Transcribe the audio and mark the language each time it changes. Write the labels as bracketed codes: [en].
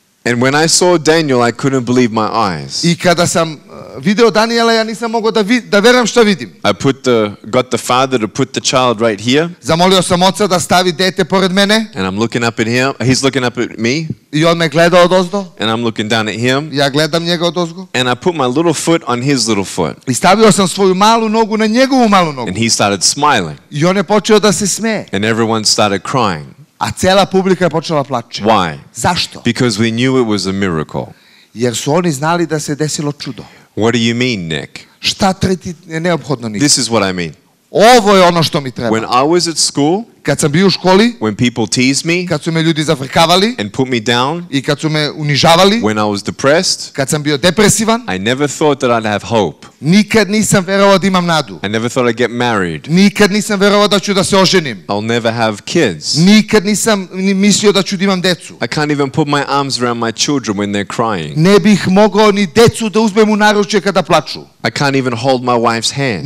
[en] And when I saw Daniel, I couldn't believe my eyes. [sr] I kada sam video Daniela, ja nisam mogao da verujem što vidim. [en] I got the father to put the child right here. [sr] Zamolio sam oca da stavi dete pored mene. [en] And I'm looking up at him. He's looking up at me. [sr] I on me gleda odozdo. [en] And I'm looking down at him. [sr] Ja gledam njega odozgo. [en] And I put my little foot on his little foot. [sr] I stavio sam svoju malu nogu na njegovu malu nogu. [en] And he started smiling. [sr] I on je počeo da se smeje. [en] And everyone started crying. [sr] A cela publika je počela plače. [en] Why? [sr] Zašto? [en] Because we knew it was a miracle. [sr] Jer su oni znali da se desilo čudo. [en] What do you mean, Nick? [sr] Šta treti je neophodno, Nick? [en] This is what I mean. [sr] Ovo je ono što mi treba. [en] When I was at school, [sr] kad sam bio u školi, [en] when people teased me, [sr] kad su me ljudi zafrkavali, [en] and put me down, [sr] i kad su me unižavali, [en] when I was depressed, [sr] kad sam bio depresivan, [en] I never thought that I'd have hope. [sr] Nikad nisam verovao da imam nadu. [en] I never thought I'd get married. [sr] Nikad nisam verovao da ću da se oženim. [en] I'll never have kids. [sr] Nikad nisam ni mislio da ću da imam decu. [en] I can't even put my arms around my children when they're crying. [sr] Ne bih mogao ni decu da uzmem u naručje kada plaču. [en] I can't even hold my wife's hand.